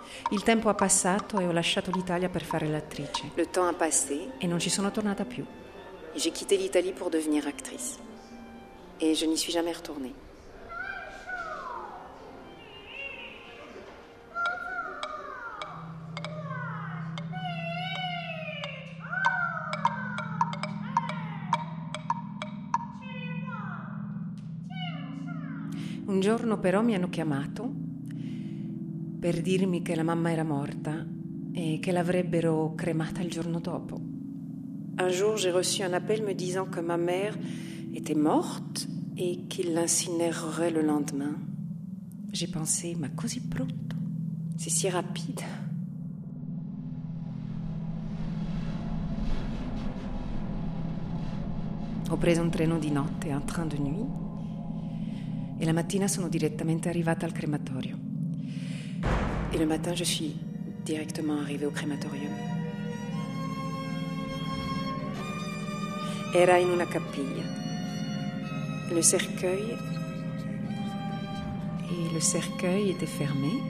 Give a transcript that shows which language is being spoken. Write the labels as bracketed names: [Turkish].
[Italian] Il tempo ha passato e ho lasciato l'Italia per fare l'attrice. [French] Le temps a passé. [Italian] E non ci sono tornata più. [French] J'ai quitté l'Italie pour devenir actrice. Et je n'y suis jamais retournée. [Italian] Un giorno però mi hanno chiamato per dirmi che la mamma era morta e che l'avrebbero cremata il giorno dopo. [French] Un jour j'ai reçu un appel me disant que ma mère était morte et qu'ils l'incinéreraient le lendemain. J'ai pensé, [Italian] ma così pronto? [French] C'est si rapide. [Italian] Ho preso un treno di notte, [French] un train de nuit, [Italian] e la mattina sono direttamente arrivata al crematorio. [French] E le matin je suis directement arrivée au crematorium. [Italian] Era in una cappella. [French] Le cercueil était fermé.